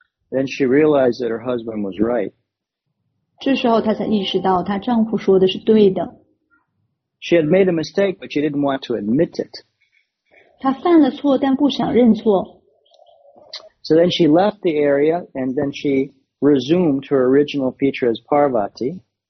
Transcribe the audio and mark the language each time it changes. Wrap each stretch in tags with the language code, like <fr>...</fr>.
<en>Then she realized that her husband was right.</en> <zh>这时候她才意识到她丈夫说的是对的。</zh> <en>She had made a mistake, but she didn't want to admit it.</en> <zh>她犯了错，但不想认错。</zh> <en>So then she left the area and then she resumed her original feature as Parvati.</en>